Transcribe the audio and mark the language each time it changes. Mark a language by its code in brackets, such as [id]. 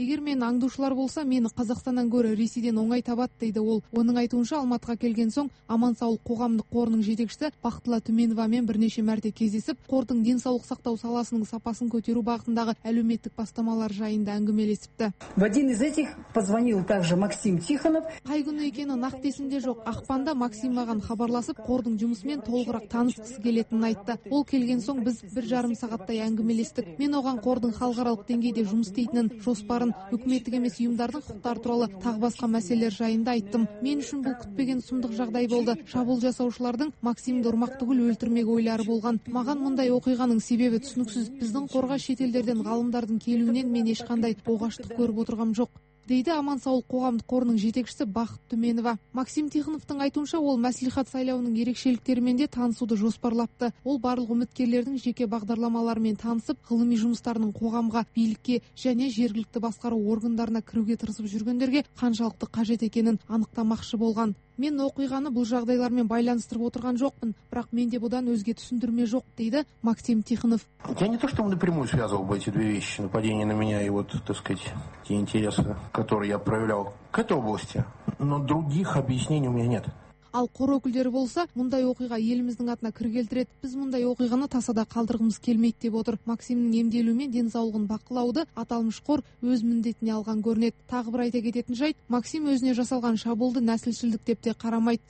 [kk] Егер мен аңдушылар болса, мені Қазақстаннан гөрі Ресейден оңай табады дейді ол. Оның айтуынша, Алматыға келген соң Аман саулық қоғамдық қорының жетекшісі Бақтыла Түменовамен бірнеше мәрте кездесіп, қордың денсаулық сақтау саласының сапасын көтеру бағытындағы әлеуметтік бастамалар жайында әңгімелесіпті. [ru] В один из этих позвонил также Максим Тихонов. [kk] Қай күні екені нақты есімде жоқ. Ақпанда Максим маған хабарласып, қордың жұмысымен толығырақ танысқысы келетінін айтты. Ол келген соң біз 1.5 сағаттай әңгімелестік. Мен оған қордың халықаралық деңгейде жұмыс істейтінін, жоспарын, үкіметтік емес ұйымдардың құқықтары туралы тағы басқа мәселелер жайында айттым. Мен үшін бұл күтпеген сұмдық жағдай болды. Шабуыл жасаушылардың Максимді ұрмақ түгіл өлтірмек ойлары болған. Маған мұндай оқиғаның себебі түсініксіз. Біздің қорға шетелдерден ғалымдардың келуінен мен ешқандай оғаштық көріп отырғам жоқ. Дейді Аман саулық қоғамдық қорының жетекшісі Бақыт Түменова. Максим Тихоновтың айтуынша, ол мәслихат сайлауының ерекшеліктерімен де танысуды жоспарлапты. Ол барлық үміткерлердің жеке бағдарламаларымен танысып, ғылыми жұмыстарының қоғамға, билікке және жергілікті басқару органдарына кіруге тырысып жүргендерге қаншалықты қажет екенін анықтамақшы болған. Мен оқиғаны бұл жағдайлармен байланыстырып отырған жоқпын, бірақ менде бұдан өзге түсіндірме жоқ, дейді Максим Тихонов. [ru] Я не то, что напрямую связывал бы эти две вещи, нападение на меня и вот, так сказать, те интересы, которые я проявлял к этой области, но других объяснений у меня нет. [kk] Ал қор өкілдері болса, мұндай оқиға еліміздің атына кір келтіреді. Біз мұндай оқиғаны тасада қалдырғымыз келмейді деп отыр. Максимнің емделуі мен денсаулығын бақылауды аталмыш қор өз міндетіне алған көрінеді. Тағы бір айта кететін жайт, Максим өзіне жасалған шабуылды нәсілшілдік деп те қарамайды.